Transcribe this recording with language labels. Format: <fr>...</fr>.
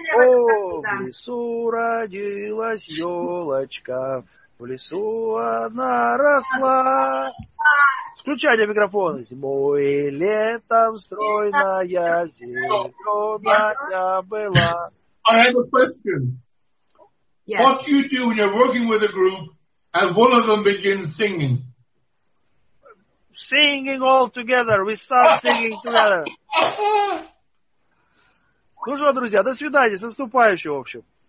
<ru>О, в лесу родилась елочка, в лесу она росла. Включайте микрофон. Зимой, летом стройная зеленая была.</ru> <en>I have a question. Yes. What do you do when you're working with a group and one of them begins singing? Singing all together. We start singing together.</en> <ru>Ну что, друзья, до свидания. С наступающим, в общем.</ru>